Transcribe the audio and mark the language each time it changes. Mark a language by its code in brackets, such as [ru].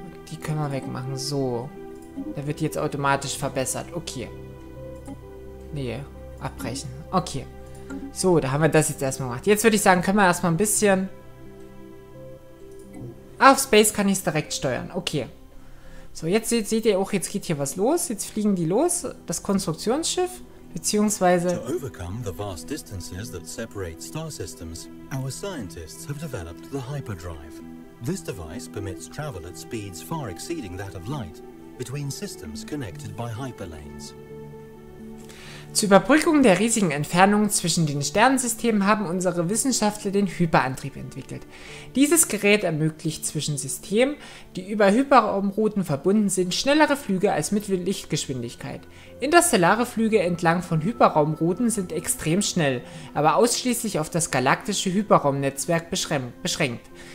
[de] Die können wir wegmachen. So. Da wird jetzt automatisch verbessert. Okay. Nee. Abbrechen. Okay. So, da haben wir das jetzt erstmal gemacht. Jetzt würde ich sagen, können wir erstmal ein bisschen... Auf Space kann ich es direkt steuern. Okay. So, jetzt seht ihr auch, jetzt geht hier was los. Jetzt fliegen die los. Das Konstruktionsschiff. Beziehungsweise... [en] To overcome the vast distances that separate star systems, our scientists have developed the hyperdrive. This device permits travel at speeds far exceeding that of light between systems connected by hyperlanes. [de] Zur Überbrückung der riesigen Entfernungen zwischen den Sternensystemen haben unsere Wissenschaftler den Hyperantrieb entwickelt. Dieses Gerät ermöglicht zwischen Systemen, die über Hyperraumrouten verbunden sind, schnellere Flüge als mit Lichtgeschwindigkeit. Interstellare Flüge entlang von Hyperraumrouten sind extrem schnell, aber ausschließlich auf das galaktische Hyperraumnetzwerk beschränkt.